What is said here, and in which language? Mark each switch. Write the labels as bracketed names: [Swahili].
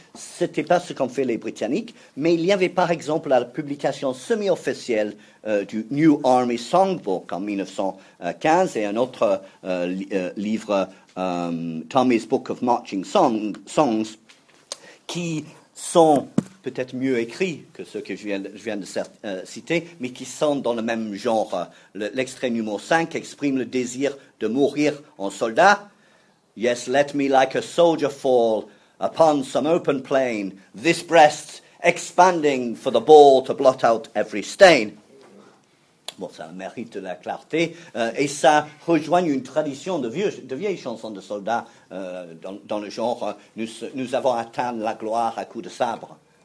[French] Ce n'était pas ce qu'ont fait les Britanniques, mais il y avait par exemple la publication semi-officielle du New Army Songbook en 1915 et un autre livre, Tommy's Book of Marching Songs, qui sont peut-être mieux écrits que ceux que je viens de citer, mais qui sont dans le même genre. L'extrait numéro 5 exprime le désir de mourir en soldat. [English] Yes, let me like a soldier fall upon some open plain, this breast expanding for the ball to blot out every stain. [French] Bon, ça mérite de la clarté. Et ça rejoint une tradition de vieilles chansons de soldats dans le genre nous avons atteint la gloire à coups de sabre.